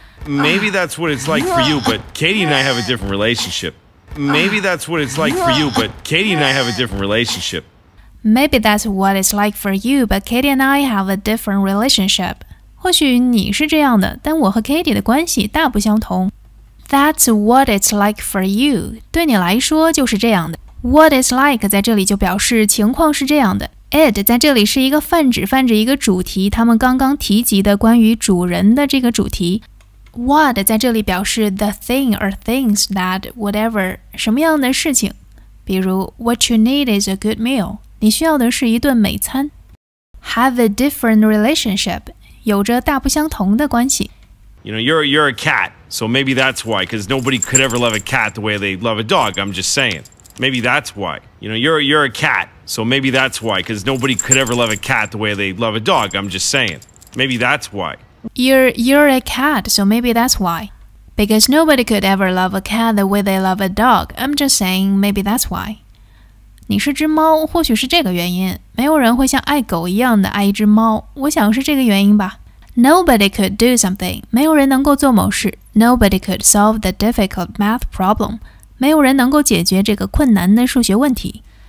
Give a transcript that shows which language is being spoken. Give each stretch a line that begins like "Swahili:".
English: Maybe that's what it's like for you but Katie and I have a different relationship Maybe that's what it's like for you but Katie and I have a different relationship Maybe that's what it's like for you but Katie and I have a different relationship
Chinese: 或许你是这样的但我和 Katie 的关系大不相同
English: That's what it's like for you.
Chinese: 对你来说就是这样的。
English: What it's like
Chinese: 在这里就表示情况是这样的。 It 在这里是一个泛指，泛指一个主题，他们刚刚提及的关于主人的这个主题。 What 在这里表示
English: the thing or things that whatever
Chinese: 什么样的事情。
English: 比如 What you need is a good meal.
Chinese: 你需要的是一顿美餐。
English: Have a different relationship.
Chinese: 有着大不相同的关系。
English: You know, you're a cat, so maybe that's why, because nobody could ever love a cat the way they love a dog, I'm just saying. Maybe that's why. You know, you're a cat, so maybe that's why, because nobody could ever love a cat the way they love a dog, I'm just saying. Maybe that's why. You're a cat, so maybe that's why. Because nobody could ever love a cat the way they love a dog, I'm just saying, maybe that's why.
Chinese: 你是只猫,或许是这个原因。没有人会像爱狗一样的爱一只猫,我想是这个原因吧。
English: Nobody could do something.
Chinese: 没有人能够做某事。
English: Nobody could solve the difficult math problem.
Chinese: 没有人能够解决这个困难的数学问题。